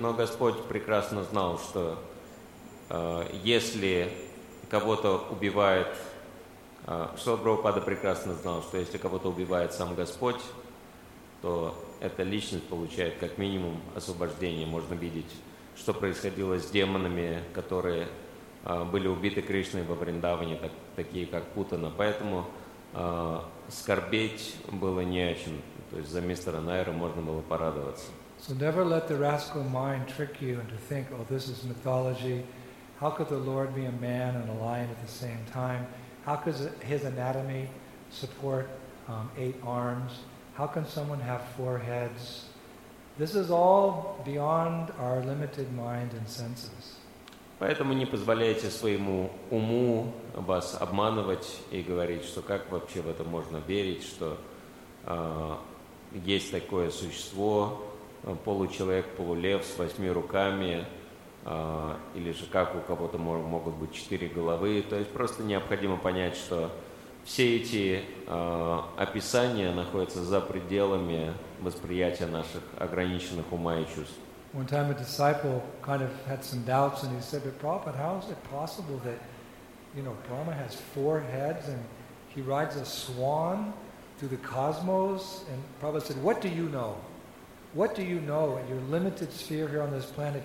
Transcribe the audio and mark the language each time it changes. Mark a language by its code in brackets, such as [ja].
[ru] Но Господь прекрасно знал, что если кого-то убивает, Шрила Прабхупада прекрасно знал, что если кого-то убивает сам Господь, то эта личность получает как минимум освобождение. Можно видеть, что происходило с демонами, которые были убиты Кришной во Вриндаване, такие как Путана. Поэтому скорбеть было не о чем. То есть за мистера Найра можно было порадоваться. [en] So never let the rascal mind trick you into think, oh, this is mythology. How could the Lord be a man and a lion at the same time? How could his anatomy support eight arms? How can someone have four heads? This is all beyond our limited mind and senses. [ru] Поэтому не позволяйте своему уму вас обманывать и говорить, что как вообще в это можно верить, что есть такое существо, получеловек, полулев с восьми руками, или же как у кого-то могут быть четыре головы. То есть просто необходимо понять, что все эти описания находятся за пределами восприятия наших ограниченных ума и чувств. [en] One time a disciple kind of had some doubts and he said, but Prabhupada, how is it possible that, you know, Brahma has four heads and he rides a swan through the cosmos? And Prabhupada said, what do you know? What do you know in your limited sphere here on this planet?